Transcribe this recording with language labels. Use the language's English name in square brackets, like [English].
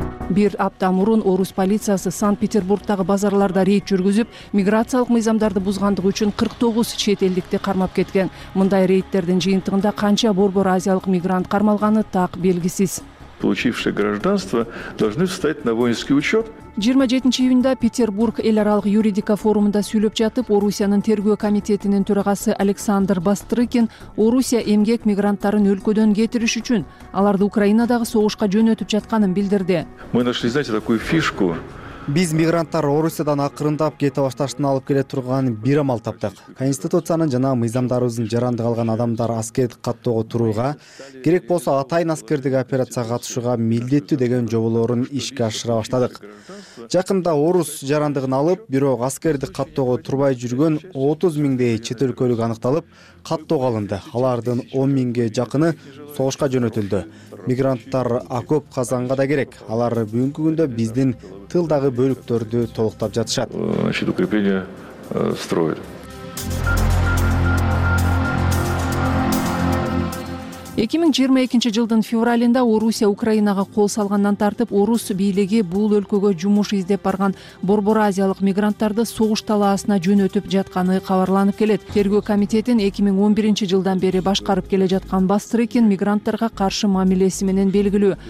[Kyrgyz] Бир апта мурун Орус полициясы Санкт-Петербургтагы базарларда рейд жүргүзүп, миграциялык мыйзамдарды бузгандыгы үчүн 49 чет элдикти кармап кеткен. Мындай рейдтердин жыйынтыгында канча борбор азиялык мигрант кармалганы так белгисиз. [Russian] Получившие гражданство должны встать на воинский учет. [Kyrgyz] 27 июнда Петербург эл аралык юридика форумунда сүйлөп жатып, Орусиянын тергөө комитетинин төрагасы Александр Бастрыкин Орусия эмгек мигранттарын өлкөдөн кетириш үчүн аларды Украинадагы согушка жөнөтүп жатканын билдирди. [Russian] Мы нашли, знаете, такую фишку. [Kyrgyz] Биз мигранттар Орусиядан акырындап кете башташтын алып келе турган бир амал таптык. Конституциянын жана мыйзамдарыбыздын жарандыгы алган адамдар аскердик каттоого турууга, керек болсо атайын аскердик операцияга катышууга милдеттүү деген жоболорун ишке ашыра баштадык. Жакында орус жарандыгын алып, бирок аскердик каттоого турбай жүргөн 30 миңдей чет өлкөлүк аныкталып, каттоого алынды. Алардын 10 миңге жакыны согушка жөнөтүлдү. Мигранттар окоп казанга да керек. Алар бүгүнкү күндө биздин тылдагы бөлүктөрдү толуктап жатышат. [Russian] Значит, укрепление строят. [Kyrgyz] жылдын февралында Орусия Украинага кол салгандан тартып, орус бийлиги бул өлкөгө жумуш издеп барган борбор азиялык мигранттарды согуш талаасына жөнөтүп жатканы кабарланып келет. Тергөө комитетин 2011-жылдан бери башкарып келе жаткан Бастрыкин мигранттарга каршы мамилеси менен белгилүү.